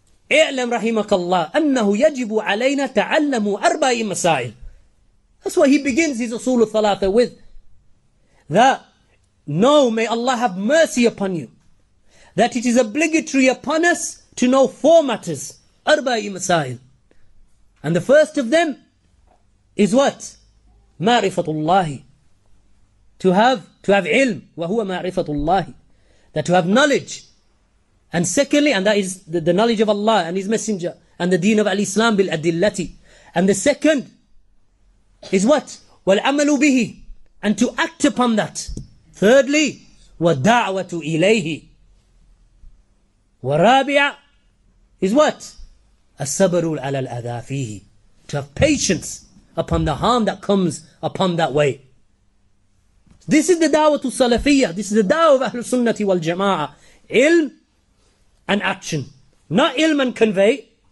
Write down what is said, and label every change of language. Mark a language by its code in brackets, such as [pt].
[ar] اعلم رحمك الله أنه يجب علينا تعلم أربع مسائل. [en] That's what he begins his Usul al-Thalatha with. That, know, may Allah have mercy upon you, that it is obligatory upon us to know four matters. [ar] أربع مسائل. [en] And the first of them is what? [ar] معرفة الله. [en] To have ilm, [ar] وهو معرفة الله. [en] That to have knowledge. And secondly, and that is the knowledge of Allah and His Messenger and the deen of Al-Islam bil adillati. And the second is what? [ar] وَالْعَمَلُ بِهِ. [en] And to act upon that. Thirdly, [ar] وَالدَّعْوَةُ إِلَيْهِ. وَالرَّابِعَ [en] is what? [ar] السَّبَرُ عَلَى الْأَذَى فِيهِ. [en] To have patience upon the harm that comes upon that way. This is the da'wah to salafiyyah. This is the da'wah of Ahlul Sunnati wal Jama'ah. Ilm and action. Not ilm and convey.